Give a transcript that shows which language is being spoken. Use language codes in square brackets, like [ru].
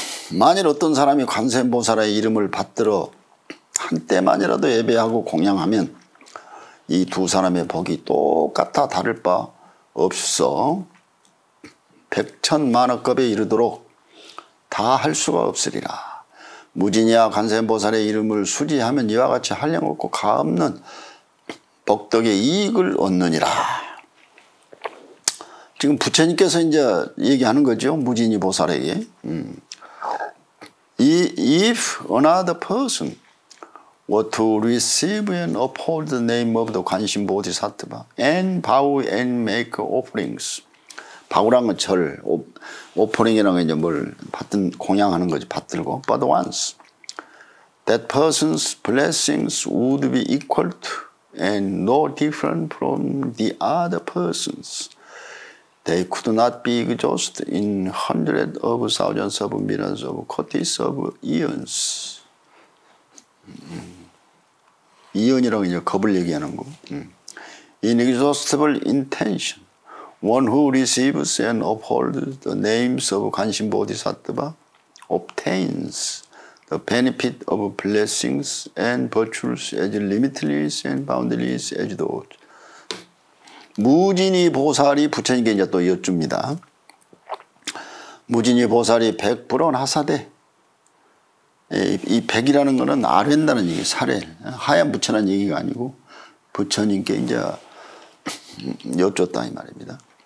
[ko] 만일 어떤 사람이 관세음보살의 이름을 받들어 한때만이라도 예배하고 공양하면 이 두 사람의 복이 똑같아 다를 바 없어 백천만억급에 이르도록 다 할 수가 없으리라. 무진이야 관세음보살의 이름을 수지하면 이와 같이 한량없고 가없는 복덕의 이익을 얻느니라. 지금 부처님께서 이제 얘기하는 거죠. 무진이 보살에게. [en] If another person were to receive and uphold the name of the 관심 보디사트바 and bow and make offerings. [ko] 바우랑은 절, 오프링이라는 게 이제 뭘 받든 공양하는 거지, 받들고. [en] But once, that person's blessings would be equal to and no different from the other person's. They could not be exhausted in hundreds of thousands of millions of quarters of eons. [ko] 이언이라고 이제 겁을 얘기하는 거. [en] Inexhaustible intention. One who receives and upholds the names of 관심 보디사트바 obtains the benefit of blessings and virtues as limitless and boundless as those. [ko] 무진이 보살이 부처님께 이제 또 여쭙니다. 무진이 보살이 백불원 하사대. 이 백이라는 것은 아뢰다는 얘기, 사례. 하얀 부처라는 얘기가 아니고 부처님께 이제 여쭙다 이 말입니다.